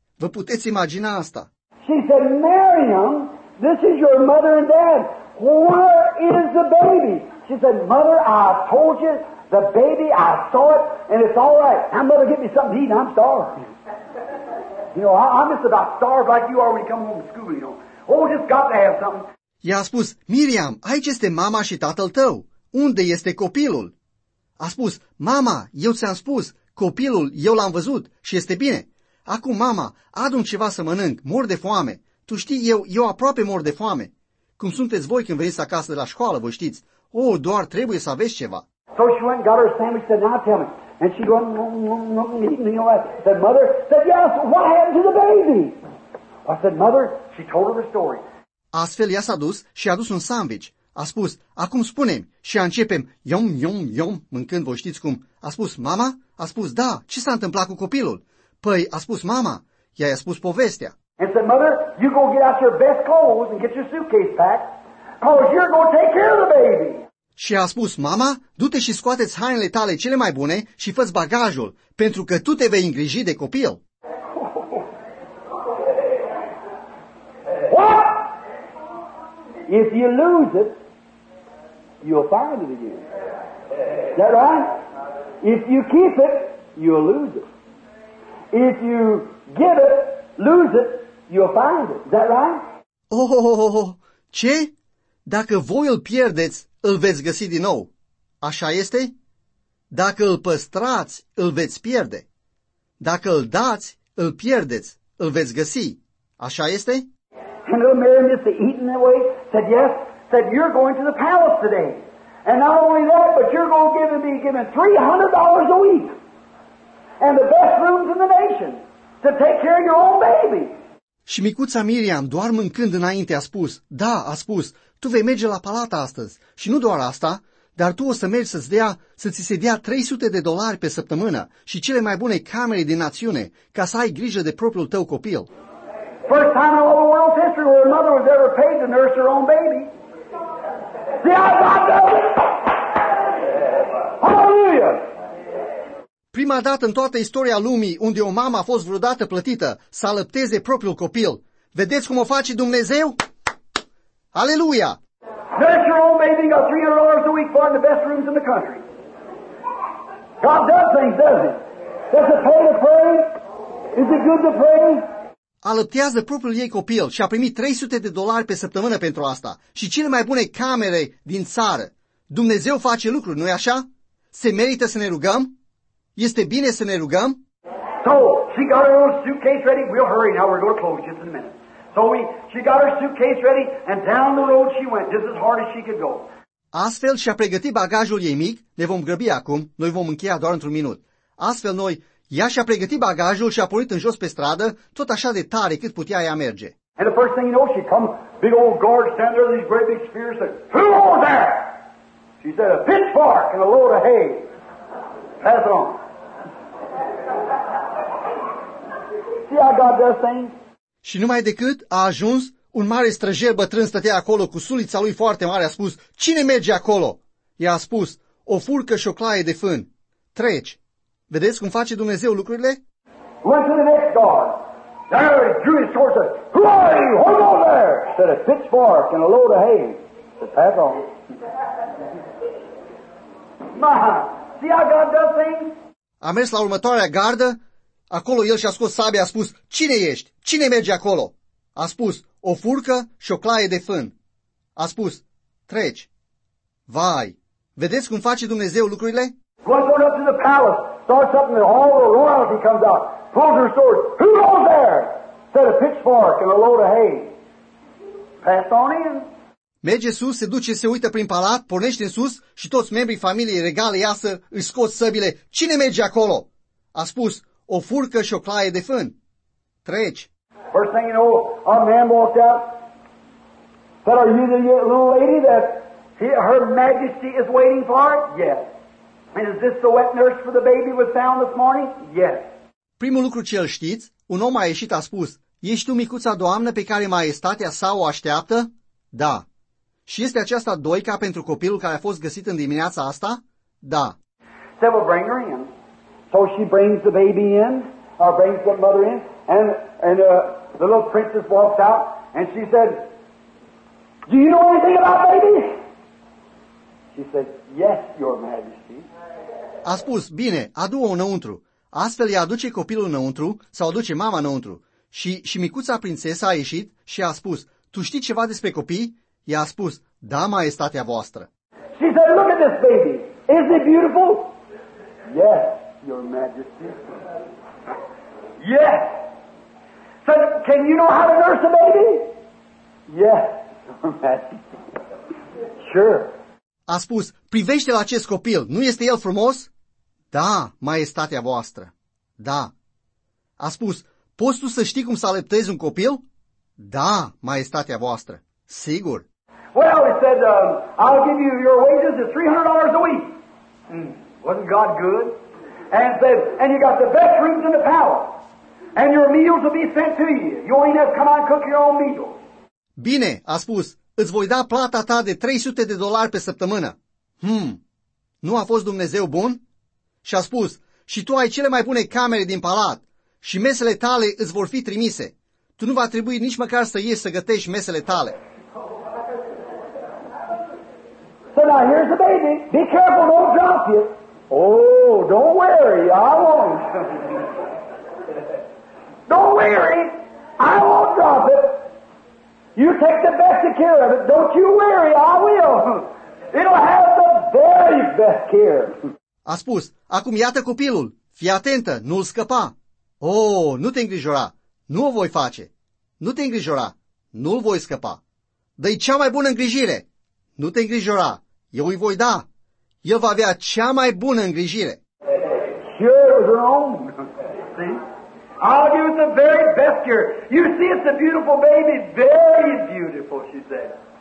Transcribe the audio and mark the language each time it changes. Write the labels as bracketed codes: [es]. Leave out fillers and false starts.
[ro] Vă puteți imagina asta? [en] She said, Miriam, this is your mother and dad. Where is the baby? She said, mother, I told you, the baby, I saw it, and it's all right. Now, mother, get me something to eat, I'm starved. You know, I'm just about starved like you are when you come home from school, you know. Oh, just got to have something. [ro] I-a spus, Miriam, aici este mama și tatăl tău. Unde este copilul? A spus, mama, eu ți-am spus, copilul, eu l-am văzut și este bine. Acum, mama, adun ceva să mănânc, mor de foame. Tu știi, eu aproape mor de foame. Cum sunteți voi când veniți acasă de la școală, vă știți? Oh, doar trebuie să aveți ceva. [en] So she went and got her sandwich, said, now tell me. And she went, said, mother, said, yes, what happened to the baby? I said, mother, she told her the story. [ro] Astfel ea s-a dus și a adus un sandwich. A spus, acum spunem și începem, yom, yom, yom, mâncând, vă știți cum. A spus, mama? A spus, da, ce s-a întâmplat cu copilul? Păi, a spus mama, ea i-a spus povestea. [en] And said, mother, you go get out your best clothes and get your suitcase packed, cause you're going to take care of the baby. [ro] Și a spus, mama, du-te și scoate-ți hainele tale cele mai bune și fă-ți bagajul, pentru că tu te vei îngriji de copil. [en] What? If you lose it, you'll find it again. Is that right? If you keep it, you'll lose it. If you give it, lose it, you'll find it. Is that right? [ro] Oh, ce? Dacă voi îl pierdeți, îl veți găsi din nou. Așa este? Dacă îl păstrați, îl veți pierde. Dacă îl dați, îl pierdeți, îl veți găsi. Așa este? [en] And little Miriam just eating away, said yes, said you're going to the palace today. And not only that, but you're going to be given $300 a week. And the best rooms in the nation to take care of your own baby. [ro] Și micuța Miriam, doar mâncând înainte, a spus, da, a spus, tu vei merge la palata astăzi. Și nu doar asta, dar tu o să mergi să ți se dea $300 pe săptămână și cele mai bune camere din națiune, ca să ai grijă de propriul tău copil. [en] First time in all the world's history where a mother was ever paid to nurse her own baby. See, I got that. Hallelujah! [ro] Prima dată în toată istoria lumii unde o mamă a fost vreodată plătită să alăpteze propriul copil. Vedeți cum o face Dumnezeu? Aleluia! [en] Nurse your own baby, got $300 a week for in the best rooms in the country. God does things, doesn't he? Is it pay to pray? Is it good to pray? [ro] Alăptează propriul ei copil și a primit $300 pe săptămână pentru asta și cele mai bune camere din țară. Dumnezeu face lucruri, nu-i așa? Se merită să ne rugăm? Este bine să ne rugăm? [en] So, she got her suitcase ready. We'll hurry now. We're going to close just in a minute. So, she got her suitcase ready and down the road she went just as hard as she could go. [ro] Astfel și-a pregătit bagajul ei mic. Ne vom grăbi acum. Noi vom încheia doar într-un minut. Astfel noi, ea și-a pregătit bagajul și a pornit în jos pe stradă tot așa de tare cât putea ea merge. [en] And the first thing you know, she come, big old guard stand there, these great big spears, said, who are there? She said, a pitchfork and a load of hay. Pass it on. see how God does things? [ro] Și numai decât a ajuns, un mare străjer bătrân stătea acolo cu sulița lui foarte mare, a spus, cine merge acolo? I-a spus, o furcă și o claie de fân. Treci. Vedeți cum face Dumnezeu lucrurile? [en] Went to the next guard. There he drew his sword and said, who are you? Hold on there. Said a pitchfork and a load of hay. Said, pass on. My, see how God does things? [ro] A mers la următoarea gardă. Acolo el și-a scos sabia, a spus, cine ești? Cine merge acolo? A spus, o furcă și o claie de fân. A spus, treci. Vai, vedeți cum face Dumnezeu lucrurile? [en] Goes on up to the palace, starts up and all the royalty comes out, pulls her sword. Who goes there? Set a pitchfork and a load of hay. Pass on in. [ro] Merge sus, se duce, se uită prin palat, pornește în sus și toți membrii familiei regale iasă, își scot săbile. Cine merge acolo? A spus, o furcă și o claie de fân. Treci. [en] First thing you know, a man walked out. Said, are you the little lady that her majesty is waiting for? Yes. And is this the wet nurse for the baby was found this morning? Yes. [ro] Primul lucru ce îl știți, un om a ieșit, a spus, ești tu micuța doamnă pe care maestatea sa o așteaptă? Da. Și este aceasta doica pentru copilul care a fost găsit în dimineața asta? Da. [en] Said, well, bring her in. So she brings the baby in, brings the mother in, and the little princess walks out, and she said, do you know anything about babies? She said, yes, your majesty. [ro] A spus, bine, adu-o înăuntru. Astfel ea aduce copilul înăuntru, sau aduce mama înăuntru. Și micuța prințesa a ieșit și a spus, tu știi ceva despre copii? I-a spus, da, maestatea voastră. [en] She said, look at this baby. Isn't it beautiful? Yes. Your majesty. Yes. Said, can you know how to nurse a baby? Yes, your majesty. Sure. [ro] A spus, privește la acest copil, nu este el frumos? Da, maestatea voastră. Da. A spus, poți tu să știi cum să alăptezi un copil? Da, maestatea voastră. Sigur. [en] Well, he said, I'll give you your wages at $300 a week. Wasn't God good? And said, and you got the best rooms in the palace. And your meals will be sent to you. You ain't have to come out and cook your own meals. [ro] Bine, a spus, îți voi da plata ta de $300 pe săptămână. Nu a fost Dumnezeu bun? Și a spus, și tu ai cele mai bune camere din palat și mesele tale îți vor fi trimise. Tu nu va trebui nici măcar să ieși să gătești mesele tale. [en] So now here's the baby. Be careful, don't drop it. Oh, don't worry, I won't. Don't worry, I won't drop it. You take the best of care of it. Don't you worry, I will. It'll have the very best care. [ro] A spus, acum iată copilul. Fii atentă, nu-l scăpa. Oh, nu te îngrijora. Nu o voi face. Nu te îngrijora. Nu-l voi scăpa. Dă-i cea mai bună îngrijire. Nu te îngrijora. Eu îi voi da. El va avea cea mai bună îngrijire. [en] Sure, it was wrong. See? I'll give it the very best care. You see, it's a beautiful baby. Very beautiful, she said.